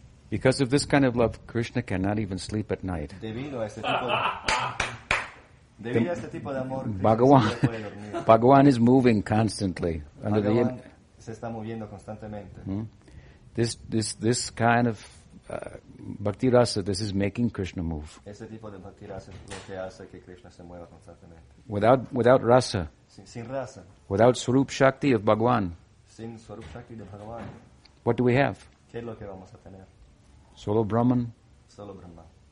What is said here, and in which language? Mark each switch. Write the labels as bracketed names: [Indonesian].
[English] Because of this kind of love, Krishna cannot even sleep at night. [Spanish] Debido a este tipo de debido a este tipo de amor, [English] Bhagawan is moving constantly. Under the [Spanish] se está moviendo constantemente. [English] This kind of bhakti rasa, this is making Krishna move. [Spanish] Este tipo de bhakti rasa es lo que hace que Krishna se mueva constantemente. [English] Without rasa. [Spanish] Sin rasa. [English] Without swarup shakti of Bhagawan. [Spanish] Sin swarup shakti de Bhagawan. [English] What do we have? [Spanish] ¿Qué es lo que vamos a tener? Solo Brahman. Solo Brahma.